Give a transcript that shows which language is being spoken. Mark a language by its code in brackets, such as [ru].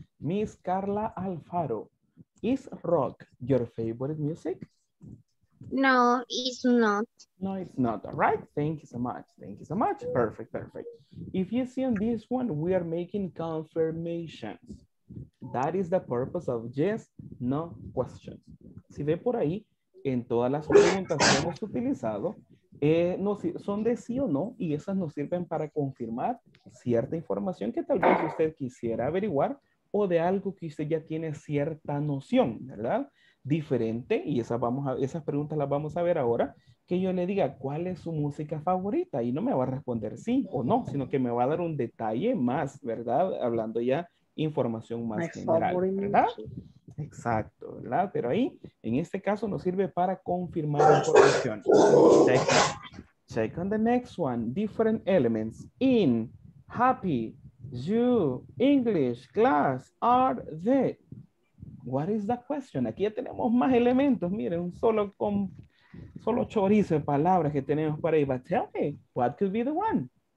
[en] Miss Carla Alfaro, is rock your favorite music? No, it's not. No, it's not. All right. Thank you so much. Thank you so much. Perfect, perfect. If you see on this one, we are making confirmations. That is the purpose of yes, no questions. [es] Si ve por ahí, en todas las preguntas que hemos utilizado, son de sí o no, y esas nos sirven para confirmar cierta información que tal vez usted quisiera averiguar o de algo que usted ya tiene cierta noción, ¿verdad? Diferente, y esas preguntas las vamos a ver ahora, que yo le diga cuál es su música favorita y no me va a responder sí o no, sino que me va a dar un detalle más, ¿verdad? Hablando ya información más general, ¿verdad? Exacto, ¿verdad? Pero ahí, en este caso, nos sirve para confirmar información. [en] Check on the next one. Different elements. In, happy, you, English, class, are, the. What is the question? [es] Aquí ya tenemos más elementos. Miren, un solo con solo chorizo de palabras que tenemos para ahí. [en] But tell me, what could be the one?